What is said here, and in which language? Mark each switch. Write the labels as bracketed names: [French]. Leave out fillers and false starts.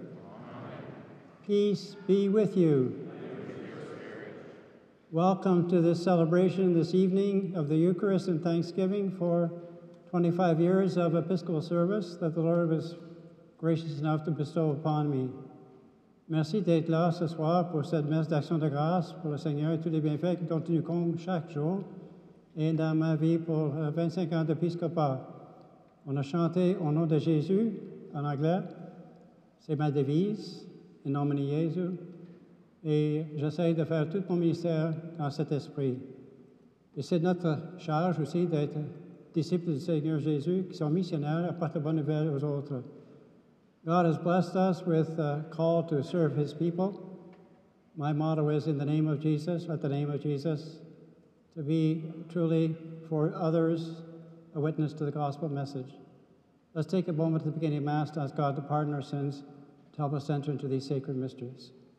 [English] Amen. Peace be with you. And with your spirit. Welcome to this celebration this evening of the Eucharist and Thanksgiving for 25 years of Episcopal service that the Lord was gracious enough to bestow upon me. [French] Merci d'être là ce soir pour cette messe d'action de grâce pour le Seigneur et tous les bienfaits qui continuent comme chaque jour et dans ma vie pour 25 ans d'épiscopat. On a chanté au nom de Jésus en anglais. C'est ma devise, [Latin] in nomine Jesu. [French] Et j'essaie de faire tout mon ministère dans cet esprit. Et c'est notre charge aussi d'être disciples du Seigneur Jésus qui sont missionnaires et apportent la bonne nouvelle aux autres. [English] God has blessed us with a call to serve his people. My motto is, in the name of Jesus, let the name of Jesus, to be truly for others a witness to the gospel message. Let's take a moment at the beginning of Mass to ask God to pardon our sins, to help us enter into these sacred mysteries.